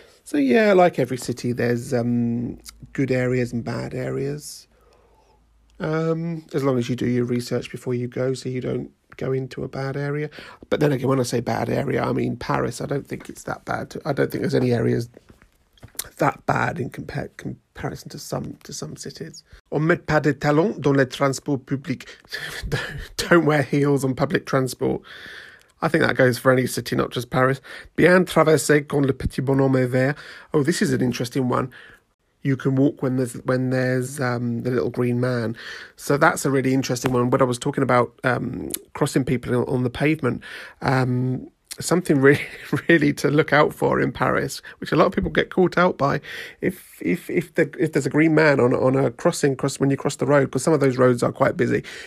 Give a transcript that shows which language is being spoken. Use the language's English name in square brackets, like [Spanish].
[English] So yeah, like every city, there's good areas and bad areas. As long as you do your research before you go, so you don't go into a bad area. But then again, when I say bad area, I mean Paris. I don't think it's that bad. I don't think there's any areas that bad in comparison to some cities. [French] On met pas de talons dans les transports publics. [English] Don't wear heels on public transport. I think that goes for any city, not just Paris. [French] Bien traverser quand le petit bonhomme est vert. [English] Oh, this is an interesting one. You can walk when there's the little green man. So that's a really interesting one. What I was talking about, crossing people on the pavement, something really to look out for in Paris, which a lot of people get caught out by, if there's a green man on a crossing, when you cross the road, because some of those roads are quite busy.